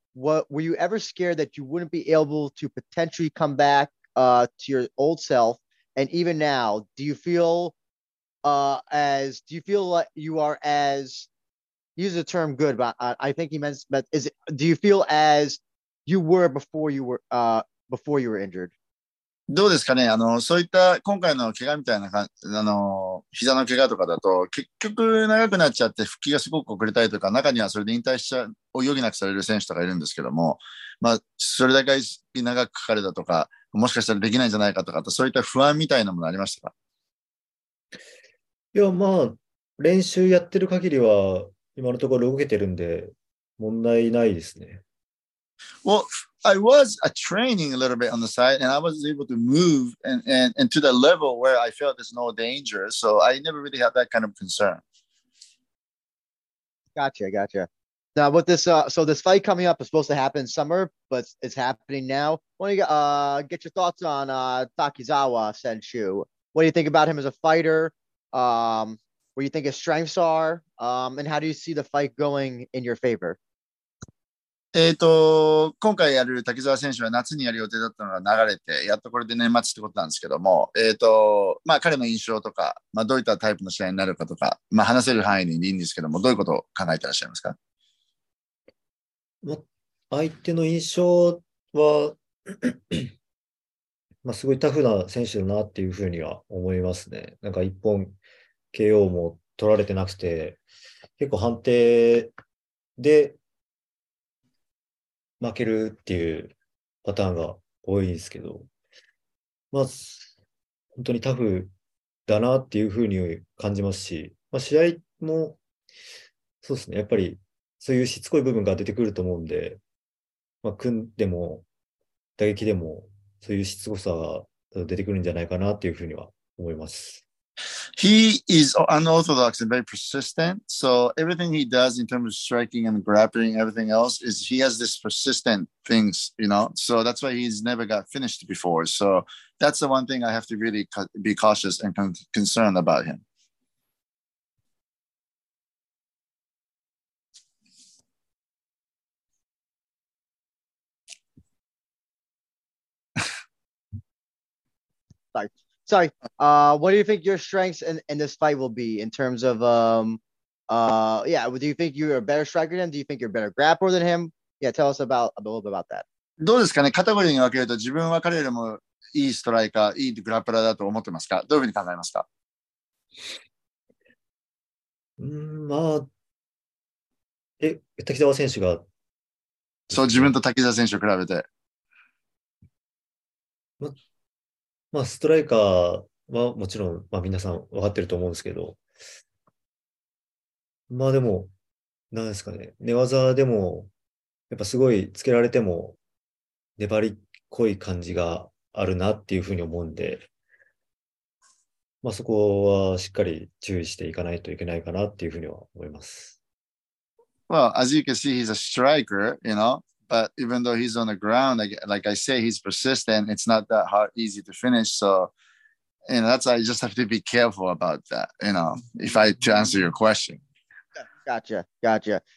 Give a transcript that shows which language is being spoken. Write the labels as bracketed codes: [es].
[en] What, were you ever scared that you wouldn't be able to potentially come back to your old self? And even now, do you feel like you are as... Use the term good, but I think he meant, but is it, do you feel as you were before you were, before you were injured? [ja] どうですかね、そういった今回の怪我みたいな、膝の怪我とかだと、結局長くなっちゃって復帰がすごく遅れたりとか、中にはそれで引退しちゃう、余儀なくされる選手とかいるんですけども、まあ、それだけ長くかかるだとか、もしかしたらできないんじゃないかとか、そういった不安みたいなものありましたか？いや、まあ、練習やってる限りは、今のところ動けてるんで問題ないですね。 [en] Well, I was training a little bit on the side, and I was able to move and to the level where I felt there's no danger, so I never really had that kind of concern. Gotcha, gotcha. Now, with this, so this fight coming up is supposed to happen in summer, but it's happening now. Want to get your thoughts on Takizawa Senshu? What do you think about him as a fighter? What do you think his strengths are, and how do you see the fight going in your favor? [ja] 今回やる滝沢選手は夏にやる予定だったのが流れて、やっとこれで年末ってことなんですけども、まあ、彼の印象とか、まあ、どういったタイプの試合になるかとか、まあ、話せる範囲でいいんですけども、どういうことを考えてらっしゃいますか？相手の印象は、まあ、すごいタフな選手だなっていうふうには思いますね。なんか一本 KO も取られてなくて、結構判定で負けるっていうパターンが多いんですけど、まあ、本当にタフだなっていうふうに感じますし、まあ、試合もそうですね、やっぱりそういうしつこい部分が出てくると思うんで、まあ、組んでも打撃でもそういうしつこさが出てくるんじゃないかなっていうふうには思います。 [en] He is unorthodox and very persistent. So everything he does in terms of striking and grappling, everything else, is he has this persistent things, you know? So that's why he's never got finished before. So that's the one thing I have to really be cautious and concerned about him. Sorry. What do you think your strengths in this fight will be in terms of, do you think you're a better striker than him? Do you think you're a better grappler than him? Yeah, tell us a little bit about that. [ja] どうですかね。カテゴリーに分けると自分は彼よりもいいストライカー、いいグラップラーだと思ってますか。どういうふうに考えますか。まあ、滝沢選手が、そう、自分と滝沢選手を比べて。まあ、ストライカーはもちろん、まあ、皆さん分かってると思うんですけど、まあでも、何ですかね、寝技でも、やっぱすごいつけられても、粘りっこい感じがあるなっていうふうに思うんで、まあそこはしっかり注意していかないといけないかなっていうふうには思います。 [en] Well, as you can see, he's a striker, you know? But even though he's on the ground, like I say, he's persistent. It's not that hard, easy to finish. So, you know, that's why I just have to be careful about that, you know, if I to answer your question. Gotcha.